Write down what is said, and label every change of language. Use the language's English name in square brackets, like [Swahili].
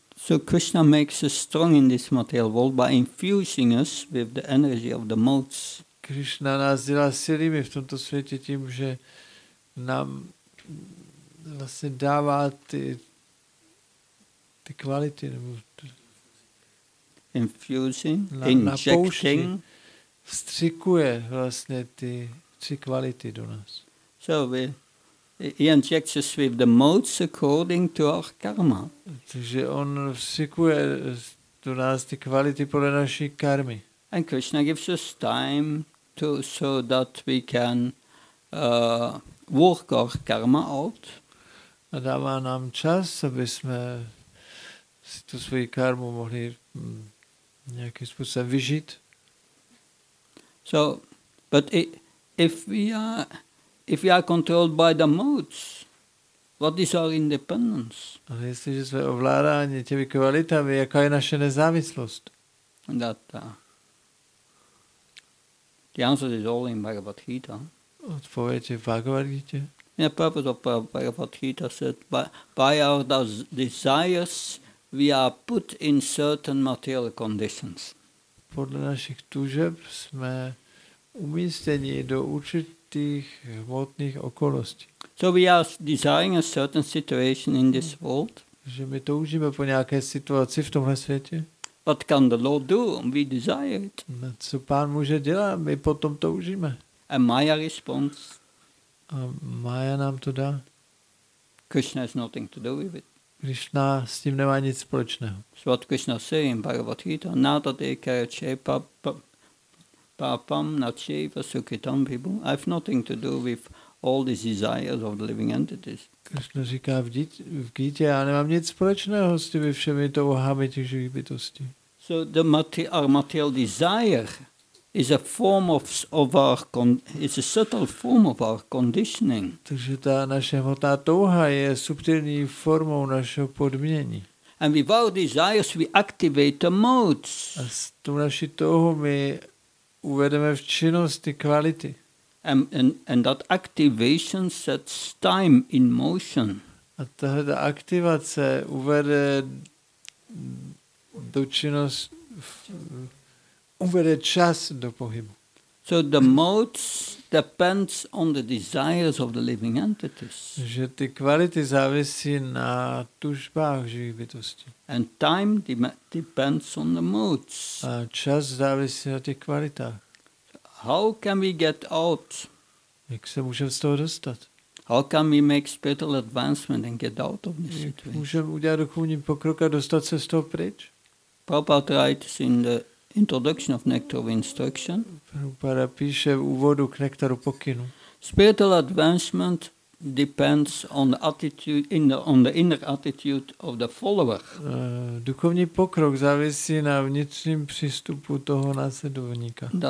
[English] So Krishna makes us strong in this material world by infusing us with the energy of the modes. [Czech] Krishna nás dělá silnými v tomto světě tím, že nám vlastně dává ty kvality nebo [English] infusing, injecting, [Czech] vstřikuje vlastně ty kvality do nás. [English] So he injects us with the modes according to our karma. [Czech] Takže on vstřikuje do nás ty kvality podle naší karmy. [English] And Krishna gives us time to so that we can work our karma out. [Czech] A dává nám čas, aby jsme si tu svoji karmu mohli nějakým způsobem vyžít. [English] So, but if we are controlled by the modes, what is our independence? [Czech] Ale jestliže jsme ovládáni těmi kvalitami, jaká je naše nezávislost? [English] The answer is all in Bhagavad Gita. [Czech] Odpověď je v Bhagavad Gita. [English] In the purpose of Bhagavad Gita said, by our desires we are put in certain material conditions. [Czech] Podle našich tužeb jsme umístěni do určitých hmotných okolností. [English] So we are desiring a certain situation in this world. [Czech] Že my toužíme po nějaké situaci v tomhle světě. [English] What can the Lord do? We desire it. [Czech] Co Pán může dělat? My potom toužíme. [English] A Maya response. [Czech] A Maya nám to dá. [English] Krishna has nothing to do with it. [Czech] Krishna s tím nemá nic společného. [English] So what Krishna says in Bhagavad Gita, [Sanskrit] nata dekara chepa papam nacheva sukitam vibhu. [English] I have nothing to do with all these desires of the living entities. [Czech] Krishna říká v Gita, já nemám nic společného s těmi všemi touhami těch živých bytostí. [English] So the material desire is a form of our a subtle form of our conditioning. [Czech] Takže ta naše hmotná touha je subtilní formou našeho podmínění. [English] And with our desires we activate the modes. [Czech] A s tou naší touhou my uvedeme v činnost ty kvality. [English] And that activation sets time in motion. [Czech] A tahle aktivace uvede dočinnosť uvede čas do pohybu. [English] So the modes depends on the desires of the living entities. [Czech] Že ty kvality závisí na tužbách živých bytostí. [English] And time depends on the modes. [Czech] A čas závisí na tých kvalitách. [English] How can we get out? [Czech] Jak se můžeme z toho dostat? [English] How can we make spiritual advancement and get out of this situation? [Czech] Můžeme udělat duchovní pokrok a dostat se z toho pryč? [English] Prabhupada writes in the introduction of Nectar of Instruction. [Czech] Prabhupada píše v úvodu k Nektaru pokynu. [English] Spiritual advancement depends on the attitude, on the inner attitude of the follower. [Czech] Duchovní pokrok závisí na vnitřním přístupu toho následovníka.